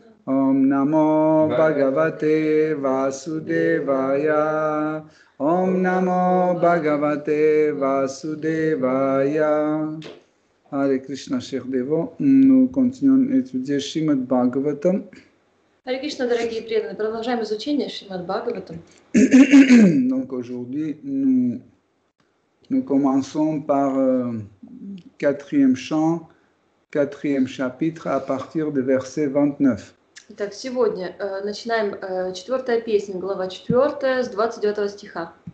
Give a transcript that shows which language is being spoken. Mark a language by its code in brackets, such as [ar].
[sa] Om Namo Bhagavate Vasudevaya. Om Namo Bhagavate Vasudevaya. [fr] Hare Krishna, chers dévots. Nous continuons à étudier Srimad Bhagavatam. [ru] Hare Krishna, дорогие преданные, продолжаем изучение Шримад Бхагаватам. [fr] Donc aujourd'hui, nous commençons par quatrième chant, quatrième chapitre à partir du verset 29. [ru] Итак, сегодня начинаем четвертая песня, глава четвертая, с 29 стиха.